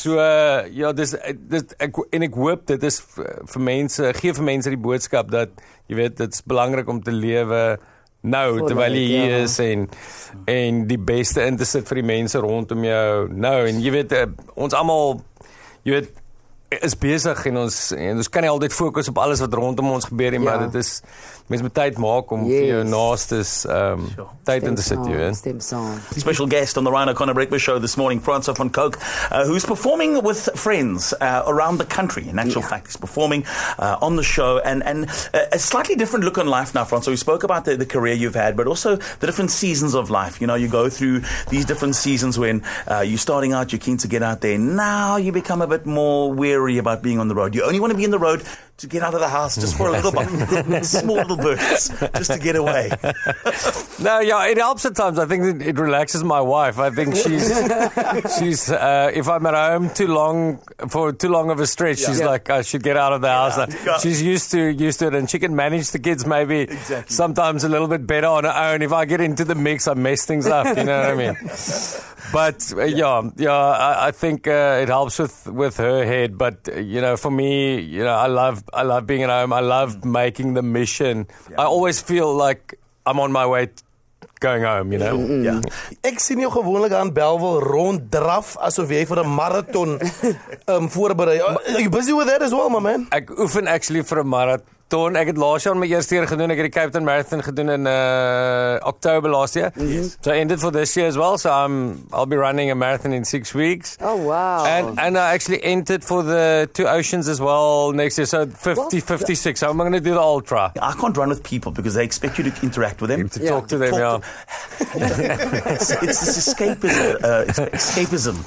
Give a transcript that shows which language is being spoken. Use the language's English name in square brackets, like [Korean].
[Afrikaans] So ja, dis ek, en ek hoop dit is vir mense, gee vir mense die boodskap dat jy weet, dit's belangrik om te lewe nou terwyl jy hier is en die beste in te sit vir die mense rondom jou nou. En jy weet, ons almal, jy weet, is besig en ons kan nie altyd fokus op alles wat rondom ons gebeur nie, maar dit is, mens moet tyd maak om vir jou naastes tyd in te sit, jy weet. [English] Special guest on the Ryan O'Connor Breakfast Show this morning, François van Cooke, who's performing with friends around the country, in actual fact, he's performing on the show, and a slightly different look on life now, François. We spoke about the career you've had, but also the different seasons of life. You know, you go through these different seasons when you're starting out, you're keen to get out there, now you become a bit more weary about being on the road. You only want to be in the road to get out of the house just for a little bit, small little bursts, just to get away. No, yeah, it helps at times. I think it relaxes my wife. I think she's if I'm at home for too long of a stretch, she's like, I should get out of the house. She's used to it, and she can manage the kids maybe sometimes a little bit better on her own. If I get into the mix, I mess things up, you know what I mean? But I think it helps with her head. But you know, for me, you know, I love being at home. I love making the mission. Yeah. I always feel like I'm on my way going home, you know. Mm-hmm. Yeah. [Afrikaans] Ek sien jou gewoonlik aan Belville ronddraf asof jy vir 'n marathon voorberei. [English] Are you busy with that as well, my man? [Afrikaans] Ek oefen actually vir 'n marathon. Toen, ek het laas jaar my eerste keer gedoen, ek het die Cape Town Marathon gedoen in Oktober laas jaar. [English] Yes. So I ended for this year as well, so I'll be running a marathon in 6 weeks. Oh, wow. And I actually entered for the Two Oceans as well next year, so 56. So I'm going to do the ultra. I can't run with people because they expect you to interact with them. To talk to them, it's this escapism. Escapism.